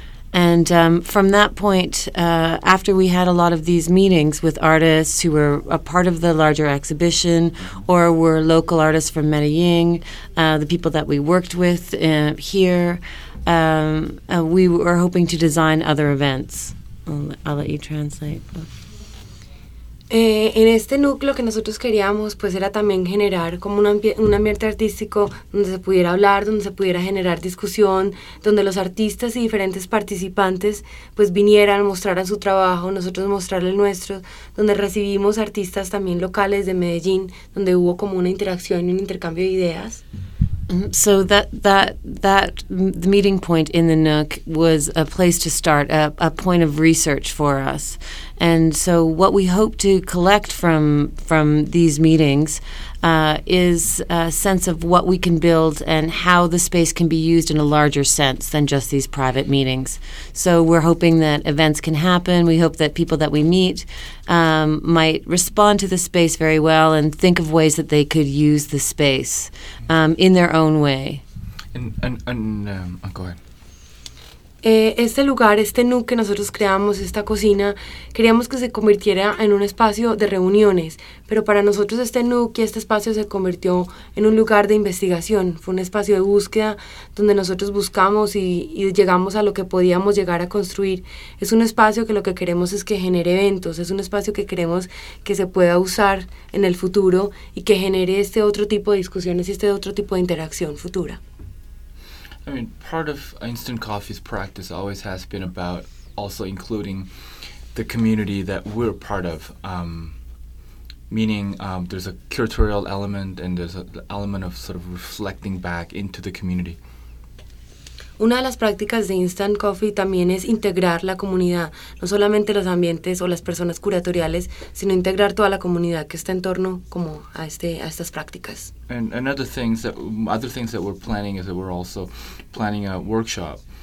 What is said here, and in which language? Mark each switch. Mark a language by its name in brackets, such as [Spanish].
[English] And from that point, after we had a lot of these meetings with artists who were a part of the larger exhibition or were local artists from Medellin, the people that we worked with here, we were hoping to design other events. I'll let you translate. [Spanish] En este núcleo que nosotros queríamos, pues era también generar como un ambiente artístico donde se pudiera hablar, donde se pudiera generar discusión, donde los artistas y diferentes participantes pues vinieran, mostraran su trabajo, nosotros mostrar el nuestro, donde recibimos artistas también locales de Medellín, donde hubo como una interacción y un intercambio de ideas. [English] So that the meeting point in the Nook was a place to start, a point of research for us. And so what we hope to collect from these meetings is a sense of what we can build and how the space can be used in a larger sense than just these private meetings. So we're hoping that events can happen. We hope that people that we meet might respond to the space very well and think of ways that they could use the space in their own way. Go ahead. [Spanish] Este lugar, este NUC que nosotros creamos, esta cocina, queríamos que se convirtiera en un espacio de reuniones, pero para nosotros este NUC y este espacio se convirtió en un lugar de investigación, fue un espacio de búsqueda donde nosotros buscamos y llegamos a lo que podíamos llegar a construir. Es un espacio que lo que queremos es que genere eventos, es un espacio que queremos que se pueda usar en el futuro y que genere este otro tipo de discusiones y este otro tipo de interacción futura. [English] I mean, part of Instant Coffee's practice always has been about also including the community that we're part of, meaning there's a curatorial element and there's an element of sort of reflecting back into the community. [Spanish] Una de las prácticas de Instant Coffee también es integrar la comunidad, no solamente los ambientes o las personas curatoriales, sino integrar toda la comunidad que está en torno como a este a estas prácticas. [English] And other things that we're planning is that we're also planning a workshop.